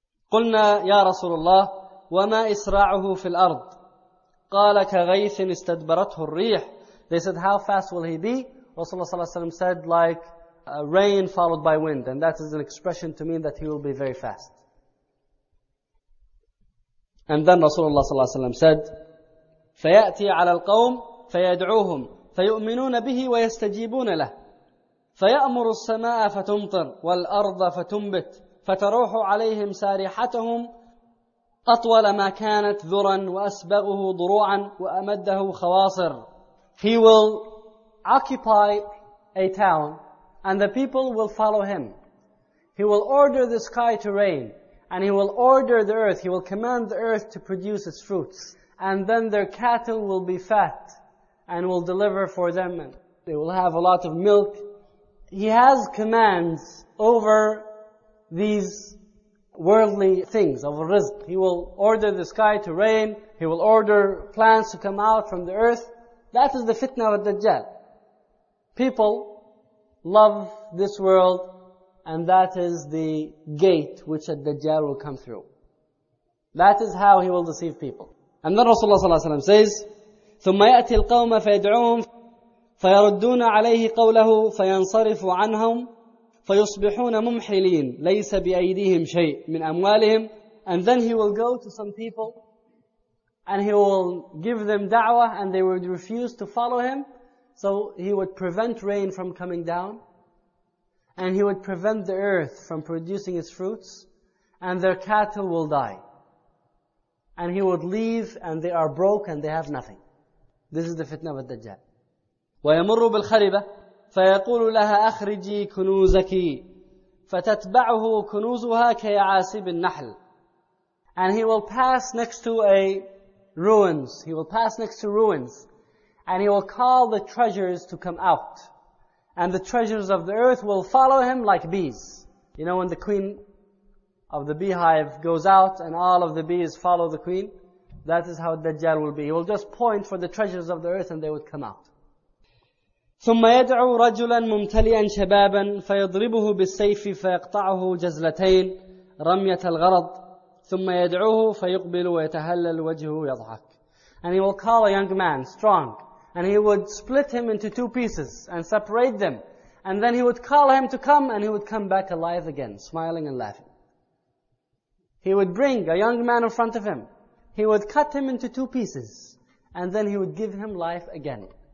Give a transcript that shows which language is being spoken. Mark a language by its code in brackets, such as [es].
[ar] قُلْنَا يَا رَسُولَ اللَّهِ وَمَا إِسْرَاعُهُ فِي الْأَرْضِ قَالَ كَغَيْثٍ إِسْتَدْبَرَتْهُ الرِّيحِ. [en] They said, how fast will he be? Rasulullah ﷺ said, like rain followed by wind. And that is an expression to mean that he will be very fast. And then Rasulullah ﷺ said, [ar] فَيَأْتِي عَلَى الْقَوْمِ فَيَدْعُوهُمْ فَيُؤْمِنُونَ بِهِ وَيَسْتَجِيبُونَ لَهُ فَيَأْمُرُ السَّمَاءَ فَتُمْطِرْ وَالْأَرْضَ فَتُنْبِتْ فَتَرُوحُ عَلَيْهِمْ سَارِحَتَهُمْ أطول ما كانت ذرا وأسبغه ضروعا وأمده خواصر. [en] He will occupy a town and the people will follow him. He will order the sky to rain and he will order the earth. He will command the earth to produce its fruits. And then their cattle will be fat and will deliver for them. They will have a lot of milk. He has commands over these worldly things of rizq. He will order the sky to rain. He will order plants to come out from the earth. That is the fitna of Ad-Dajjal. People love this world and that is the gate which Ad-Dajjal will come through. That is how he will deceive people. And then Rasulullah sallallahu alayhi wa sallam says, [ar] ثُمَّ يَأْتِي الْقَوْمَ فَيَدْعُوهُمْ فَيَرُدُّونَ عَلَيْهِ قَوْلَهُ فَيَنْصَرِفُ عَنْهُمْ فَيُصْبِحُونَ مُمْحِلِينَ لَيْسَ بِأَيْدِيهِمْ شَيْءٍ مِنْ أَمْوَالِهِمْ. [en] And then he will go to some people and he will give them da'wah and they would refuse to follow him. So he would prevent rain from coming down and he would prevent the earth from producing its fruits and their cattle will die. And he would leave and they are broke and they have nothing. This is the fitna of Ad-Dajjal. [ar] وَيَمُرُّ بِالْخَرِبَةِ فَيَقُولُ لَهَا أَخْرِجِي كُنُوزَكِ فَتَتْبَعُهُ كُنُوزُهَا كَيَعَاسِبِ النَّحْلِ. [en] And he will pass next to a ruins. He will pass next to ruins. And he will call the treasures to come out. And the treasures of the earth will follow him like bees. You know when the queen of the beehive goes out and all of the bees follow the queen? That is how Dajjal will be. He will just point for the treasures of the earth and they would come out. [ar] ثم يدعو رجلا ممتلئا شبابا فيضربه بالسيف فيقطعه جزلتين رمية الغرض ثم يدعوه فيقبل ويتهلل وجهه يضحك. [en] And he will call a young man, strong, and he would split him into two pieces and separate them. And then he would call him to come and he would come back alive again, smiling and laughing. He would bring a young man in front of him. He would cut him into two pieces and then he would give him life again.